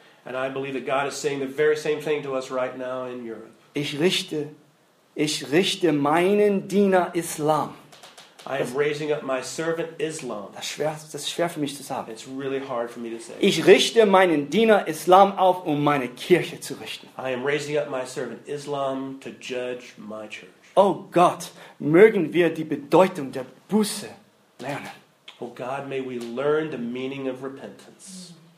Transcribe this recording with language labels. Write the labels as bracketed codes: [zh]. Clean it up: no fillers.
[en] And I believe that God is saying the very same thing to us right now in Europe. [de] Ich richte meinen Diener Islam. [en] I am raising up my servant Islam. [de] Das ist schwer für mich zu sagen. [en] It's really hard for me to say. [de] Ich richte meinen Diener Islam auf, um meine Kirche zu richten. [en] I am raising up my servant Islam to judge my church. [de] Oh Gott, mögen wir die Bedeutung der Buße lernen. [en] Oh God, may we learn the meaning of repentance.